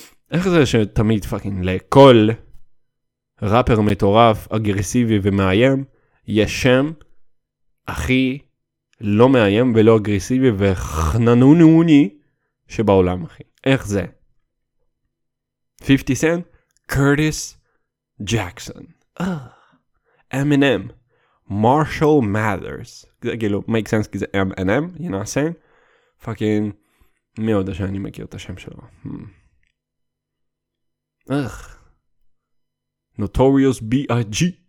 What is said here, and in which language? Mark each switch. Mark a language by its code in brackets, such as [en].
[he] איך זה שתמיד פאקינג לכל ראפר מטורף, אגרסיבי ומאיים, יש שם, אחי, לא מאיים ולא אגרסיבי וחננונוני שבעולם, אחי. איך זה? 50 סנט, קורטיס ג'קסון. M&M, מרשל מאת'רס. זה כאילו, [en] make sense [he] כי [en] זה M&M, you know what I'm saying? [he] פאקינג, מי עוד שאני מכיר את השם שלו? איך? נוטוריוס B.I.G.